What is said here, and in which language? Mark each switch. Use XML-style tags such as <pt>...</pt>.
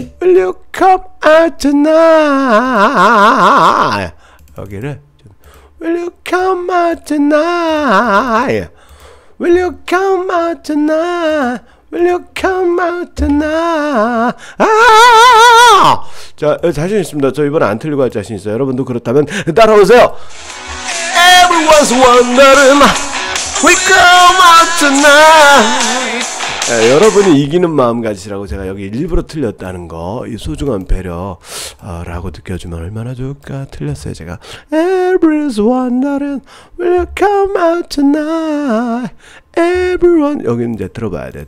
<en>Will you come out tonight? 여기를 Will you come out tonight? Will you come out tonight? Will you come out tonight?</en> <ko>아! 자, 자신 있습니다. 저 이번에 안 틀리고 할 자신 있어요. 여러분도 그렇다면 따라오세요.</ko> <en>Everyone's wondering. We come out tonight.</en> <ko>예, 여러분이 이기는 마음가짐이라고 제가 여기 일부러 틀렸다는 거, 이 소중한 배려라고 느껴주면 얼마나 좋을까. 틀렸어요 제가.</ko> <en>Everyone's wondering, will you come out tonight?</en> <ko>Everyone 여기는 이제 들어봐야 돼.</ko>